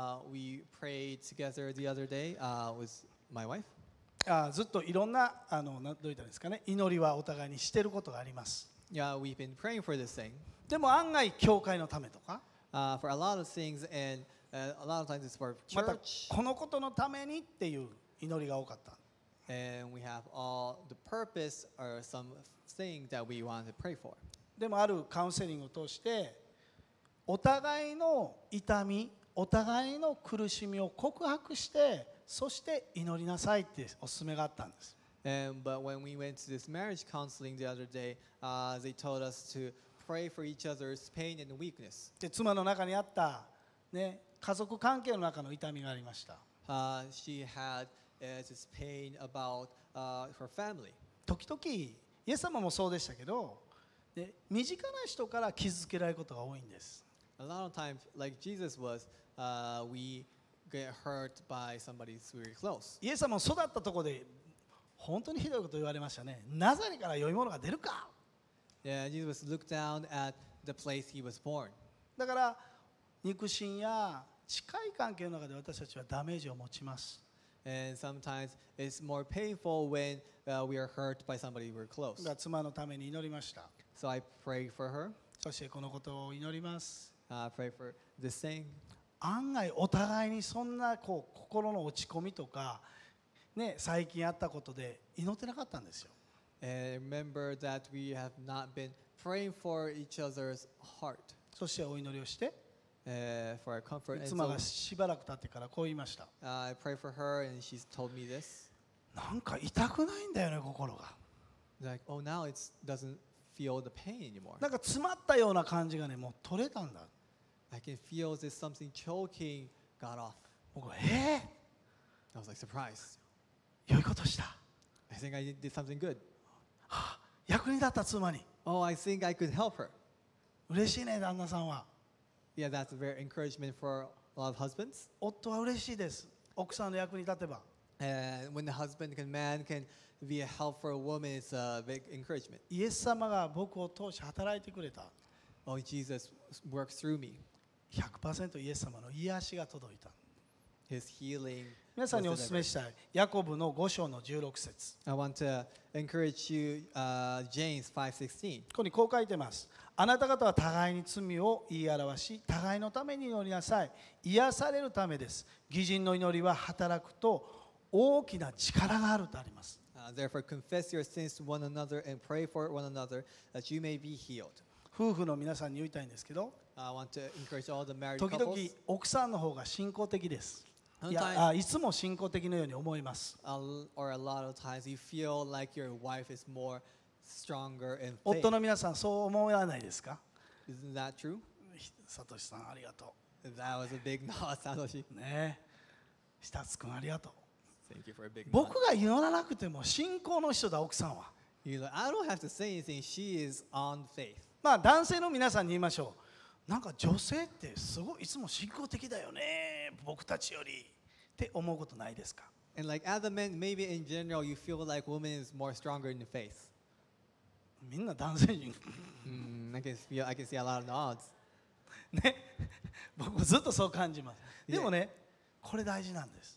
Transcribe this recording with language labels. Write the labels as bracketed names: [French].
[English] We prayed together the other day, with my wife. [Japanese] ずっといろんなどういったんですかね祈りはお互いにしてることがあります。 [English] Yeah, we've been praying for this thing. [Japanese] でも案外教会のためとか、 [English] for a lot of things and a lot of times it's for church. [Japanese] またこのことのためにっていう祈りが多かった。 [English] And we have all the purpose or some thing that we want to pray for. [Japanese] でもあるカウンセリングを通してお互いの痛み、お互いの苦しみを告白して。そして祈りなさいってお勧めがあったんです。 [English] But when we went to this marriage counseling the other day, they told us to pray for each other's pain and weakness. [Japanese] で、妻の中にあった、ね、家族関係の中の痛みがありました。 [English] She had this pain about her family. [Japanese] 時々、イエス様もそうでしたけど、で、身近な人から傷つけられることが多いんです。 [English] A lot of times, like Jesus was, weget hurt by somebody who's very close. [Japanese] イエス様も育ったところで本当にひどいこと言われましたね。ナザレから良いものが出るか。 [English] Yeah, Jesus looked down at the place he was born. [Japanese] だから肉親や近い関係の中で私たちはダメージを持ちます。 [English] And sometimes it's more painful when we are hurt by somebody we're close. [Japanese] だから妻のために祈りました。 [English] So I pray for her. [Japanese] そしてこのことを祈ります。 [English] I pray for this thing. [Japanese] 案外お互いにそんなこう心の落ち込みとか、ね、最近あったことで祈ってなかったんですよ。 [English] remember that we have not been praying for each other's heart. [Japanese] そしてお祈りをして、 [English] for our comfort. [Japanese] 妻がしばらく経ってからこう言いました。 [English] I pray for her and she told me this. [Japanese] なんか痛くないんだよね、心が。 [English] Like, oh, now it doesn't feel the pain anymore. [Japanese] なんか詰まったような感じがね、もう取れたんだ。 [English] I can feel this something choking got off. [Japanese] 僕は、 [English] I was like, surprise. [Japanese] 良いことした。 [English] I think I did something good. [Japanese] 役に立った妻に。 [English] Oh, I think I could help her. [Japanese] 嬉しいね、旦那さんは。 [English] Yeah, that's a very encouragement for a lot of husbands. [Japanese] 夫は嬉しいです。奥さんの役に立てば。 [English] And when the husband and man can be a help for a woman, it's a big encouragement. [Japanese] イエス様が僕を通し働いてくれた。 [English] Oh, Jesus works through me. [Japanese] 100% イエス様の癒しが届いた。 [English] His healing. [Japanese] 皆さんにお勧めしたい。ヤコブの5章の16節。 [English] I want to encourage you, James 5:16. [Japanese] ここにこう書いてます。あなた方は互いに罪を言い表し、互いのために祈りなさい。癒されるためです。義人の祈りは働くと大きな力があるとあります。 [English] Therefore, confess your sins to one another and pray for one another that you may be healed. [Japanese] 夫婦の皆さんに言いたいんですけど、 [English] I want to encourage all the married couples. [Japanese] 時々奥さんの方が信仰的です。いつも信仰的のように思います。 [English] Or a lot of times you feel like your wife is more stronger in faith. [Japanese] 夫の皆さんそう思わないですか？ [English] Isn't that true? [Japanese] サトシさんありがとう。 [English] That was a big nod, サトシ。 [Japanese] ね、シタツ君ありがとう。 [English] Thank you for a big [Japanese] 僕が祈らなくても信仰の人だ奥さんは。 [English] You know, I don't have to say anything. She is on faith. [Japanese] まあ男性の皆さんに言いましょう。なんか女性ってすごいいつも信仰的だよね僕たちよりって思うことないですか。 [English] And like other men, maybe in general, you feel like women is more stronger in the faith. [Japanese] みんな男性人。 [English] I can see a lot of nods. [Japanese] ね、僕ずっとそう感じます。でもね、これ大事なんです。